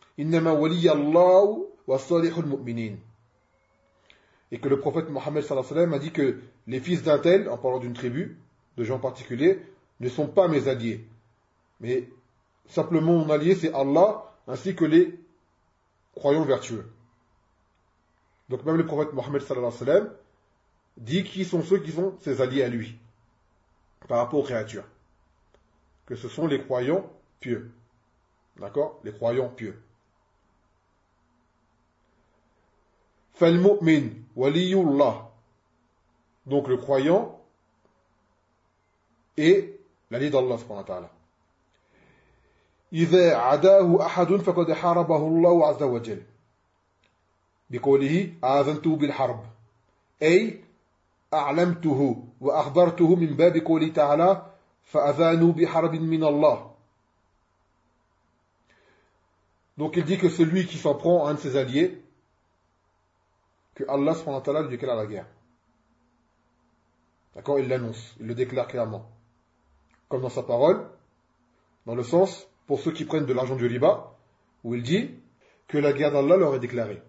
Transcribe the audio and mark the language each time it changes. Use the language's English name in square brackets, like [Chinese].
[Arabic] إنما ولي الله والصالح المؤمنين. [French] Et que le prophète Mohammed sallallahu alayhi wa sallam a dit que les fils d'un tel, en parlant d'une tribu, de gens particuliers, ne sont pas mes alliés. Mais simplement mon allié c'est Allah ainsi que les croyants vertueux. Donc même le prophète Mohammed sallallahu alayhi wa sallam dit qui sont ceux qui sont ses alliés à lui par rapport aux créatures. Que ce sont les croyants pieux. D'accord ? Les croyants pieux. [Arabic] فالمؤمن ولي الله. [French] Donc le croyant est l'allié d'Allah subhanahu wa ta'ala. [Arabic] إذا عداه أحد فقد حاربه الله عز وجل. بقوله آذنته بالحرب. أي أعلمته وأخبرته من باب قوله تعالى فأذانوا بحرب من الله. [French] Donc il dit que celui qui s'en prend à un de ses alliés, que Allah subhanahu wa ta'ala lui déclare la guerre. D'accord ? Il l'annonce, il le déclare clairement. Comme dans sa parole, dans le sens, pour ceux qui prennent de l'argent du riba, où il dit que la guerre d'Allah leur est déclarée.